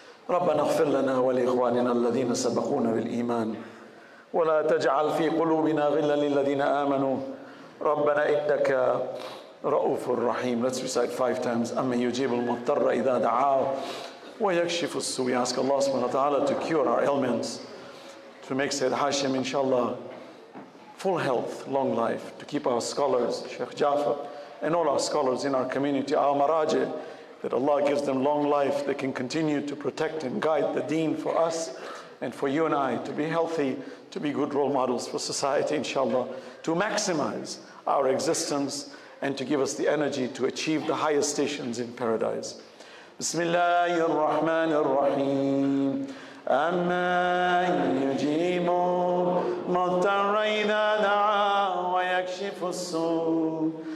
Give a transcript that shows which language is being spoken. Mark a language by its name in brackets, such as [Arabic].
[Arabic] ربنا اغفر لنا ولإخواننا الذين سبقونا بالإيمان ولا تجعل في قلوبنا غلا للذين آمنوا ربنا إنك رؤوف الرحيم. [English] Let's recite 5 times. [Arabic] أمن يجيب المضطر إذا دعاه ويكشف السوء. [English] We ask Allah subhanahu wa ta'ala to cure our ailments, to make Sayyid Hashim inshallah full health, long life, to keep our scholars, Sheikh Jafar, and all our scholars in our community, our maraji, that Allah gives them long life, they can continue to protect and guide the deen for us and for you and I, to be healthy, to be good role models for society inshallah, to maximize our existence and to give us the energy to achieve the highest stations in paradise. [Arabic] Bismillah ar-Rahman ar-Rahim. أَمَّنْ يُجِيبُ مُضْطَرًّا إِذَا دَعَاهُ وَيَكْشِفُ السُّوءَ